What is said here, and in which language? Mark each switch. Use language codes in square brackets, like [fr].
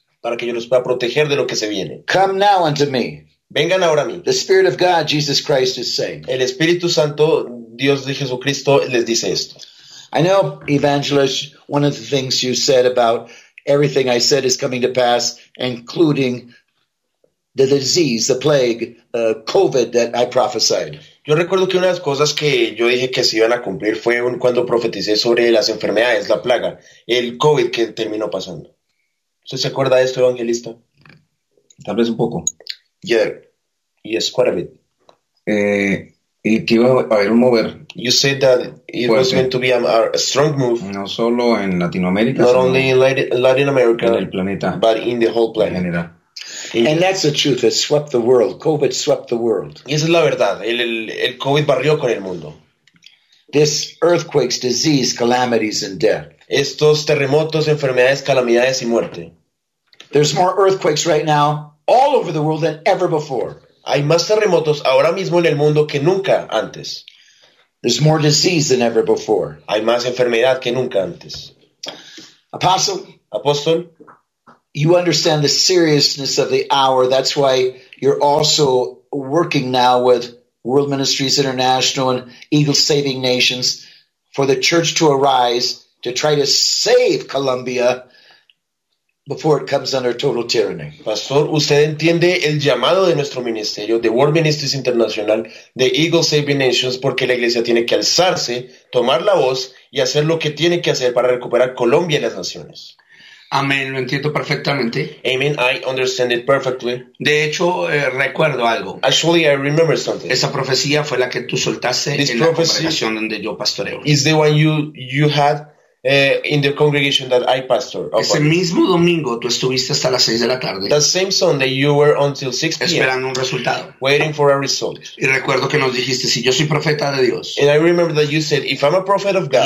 [es] Para que yo los pueda proteger de lo que se viene. [en] Come now unto me. [es] Vengan ahora a mí. [en] The Spirit of God, Jesus Christ is saying. [es] El Espíritu Santo, Dios de Jesucristo, les dice esto. [en] I know, Evangelist, one of the things you said about everything I said is coming to pass, including the disease, the plague, COVID that I prophesied. [es] Yo recuerdo que una de las cosas que yo dije que se iban a cumplir fue cuando profeticé sobre las enfermedades, la plaga, el COVID que terminó pasando. ¿Usted se acuerda de esto, evangelista? Tal vez un poco. [en] Yeah. Yes, quite a bit. [es] Y que iba a haber un mover. [en] You said that it was going to be a strong move. [es] No solo en Latinoamérica. [en] Not only in Latin America. [es] En el planeta. [en] But in the whole planet. [es] En general. [en] And that's the truth. It swept the world. COVID swept the world. [es] Y esa es la verdad. El COVID barrió con el mundo. [en] This earthquakes, disease, calamities, and death. [es] Estos terremotos, enfermedades, calamidades y muerte. [en] There's more earthquakes right now all over the world than ever before. [es] Hay más terremotos ahora mismo en el mundo que nunca antes. [en] There's more disease than ever before. [es] Hay más enfermedad que nunca antes. [en] Apostle, you understand the seriousness of the hour. That's why you're also working now with World Ministries International and Eagle Saving Nations for the church to arise to try to save Colombia before it comes under total tyranny. [es] Pastor, usted entiende el llamado de nuestro ministerio, de World Ministries International, de Eagle Saving Nations, porque la iglesia tiene que alzarse, tomar la voz y hacer lo que tiene que hacer para recuperar Colombia y las naciones. Amén, lo entiendo perfectamente. [en] Amen, I understand it perfectly. [es] De hecho, recuerdo algo. [en] Actually, I remember something. [es] Esa profecía fue la que tú soltaste [en] This [es] en la congregación donde yo pastoreo. [en] Is the one you had In the congregation that I pastor. [es] Ese mismo domingo tú estuviste hasta las 6 de la tarde. [en] The same Sunday you were until 6 p.m. [es] esperando un resultado. [en] Waiting for a result. [es] Y recuerdo que nos dijiste, si yo soy profeta de Dios. [en] And I remember that you said, if I'm a prophet of God.